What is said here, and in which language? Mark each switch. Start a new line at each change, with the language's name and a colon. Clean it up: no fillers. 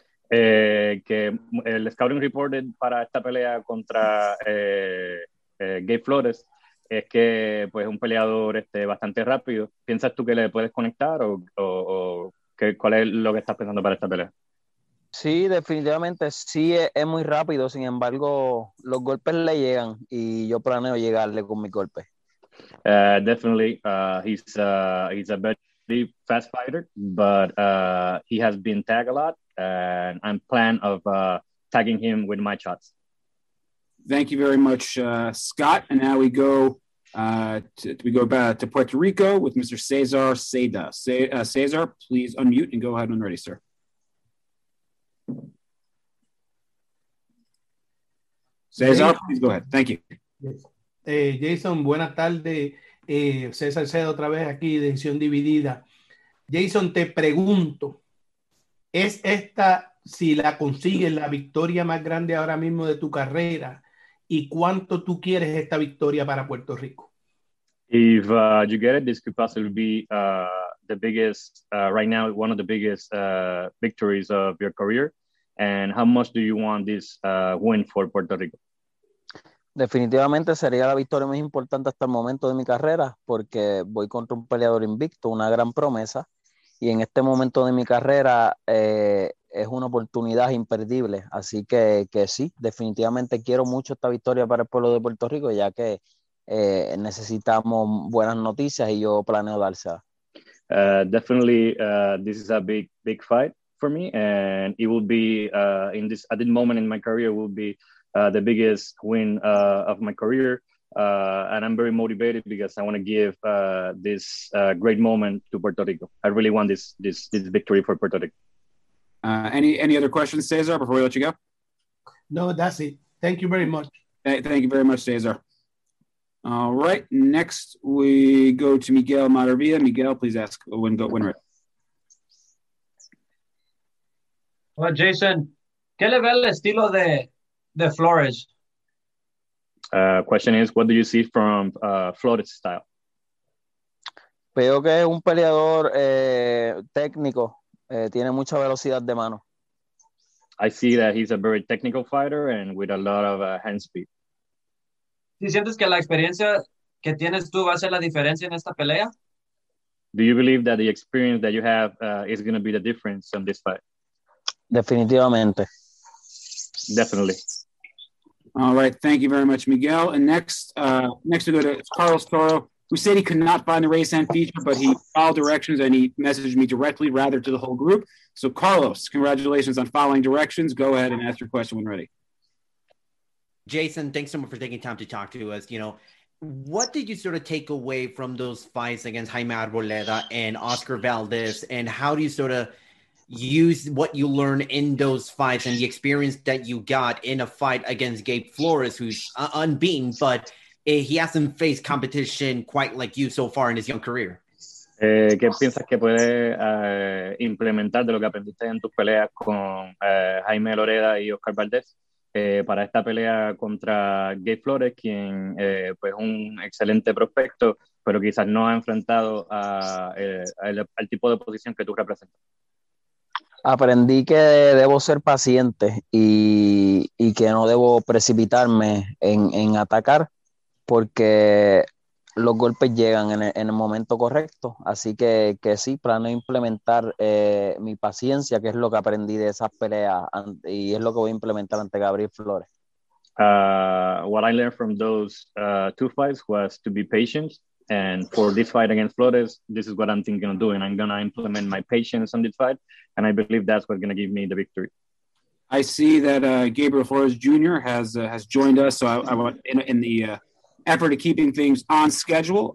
Spanish: Que el scouting report para esta pelea contra Gabe Flores es que pues un peleador bastante rápido. ¿Piensas tú que le puedes conectar o cuál es lo que estás pensando para esta pelea? Sí, definitivamente sí es muy rápido, sin embargo los golpes le llegan y yo planeo llegarle con mi golpe.
English: Definitely, he's a very fast fighter, but he has been tagged a lot, and I'm plan of tagging him with my shots. Thank you very much, Scott. And now we go back to Puerto Rico with Mr. Cesar Seda. Cesar, please unmute and go ahead when ready, sir. César, please go ahead. Thank you.
Spanish: Jayson, buenas tardes. César Seda otra vez aquí, Edición Dividida. Jayson, te pregunto, ¿es esta, si la consigues, la victoria más grande ahora mismo de tu carrera? ¿Y cuánto tú quieres esta victoria para Puerto Rico?
English: If you get it, this could possibly be the biggest, right now, one of the biggest victories of your career. And how much do you want this win for Puerto Rico?
Spanish: Definitivamente sería la victoria más importante hasta el momento de mi carrera, porque voy contra un peleador invicto, una gran promesa, y en este momento de mi carrera es una oportunidad imperdible. Así que sí, definitivamente quiero mucho esta victoria para el pueblo de Puerto Rico, ya que necesitamos buenas noticias y yo planeo dársela.
English: This is a big fight for me, and it will be at this moment in my career will be the biggest win of my career, and I'm very motivated because I want to give this great moment to Puerto Rico. I really want this victory for Puerto Rico. Any other questions, Cesar, before we let you go? No, that's it. Thank you very much. Thank you very much, Cesar. All right, next we go to Miguel Maravilla. Miguel, please ask when go winner.
Spanish: Well, Jayson, ¿qué le ve el estilo de Flores?
English: Question is, what do you see from Flores' style?
Spanish: Veo que es un peleador técnico. Tiene mucha velocidad de mano.
English: I see that he's a very technical fighter and with a lot of hand speed.
Spanish: ¿Si sientes que la experiencia que tienes tú va a ser la diferencia en esta pelea?
English: Do you believe that the experience that you have is going to be the difference in this fight?
Spanish: Definitivamente.
English: Definitely. All right. Thank you very much, Miguel. And next we go to Carlos Toro, who said he could not find the race and feature, but he followed directions and he messaged me directly rather to the whole group. So, Carlos, congratulations on following directions. Go ahead and ask your question when ready. Jayson, thanks so much for taking time to talk to us. You know, what did you sort of take away from those fights against Jaime Arboleda and Oscar Valdez? And how do you sort of use what you learned in those fights and the experience that you got in a fight against Gabe Flores, who's unbeaten, but he hasn't faced competition quite like you so far in his young career?
Spanish: ¿Qué piensas que puede implementar de lo que aprendiste en tus peleas con Jaime Loreda y Oscar Valdez? Para esta pelea contra Gabe Flores, quien pues un excelente prospecto, pero quizás no ha enfrentado al tipo de posición que tú representas. Aprendí que debo ser paciente y que no debo precipitarme en atacar, porque los golpes llegan en el momento correcto. Así que sí, planeo implementar mi paciencia, que es lo que aprendí de esas peleas y es lo que voy a implementar ante Gabriel Flores.
English: What I learned from those two fights was to be patient. And for this fight against Flores, this is what I'm thinking of doing. I'm going to implement my patience on this fight. And I believe that's what's going to give me the victory. I see that Gabriel Flores Jr. has joined us. So I want in the effort of keeping things on schedule.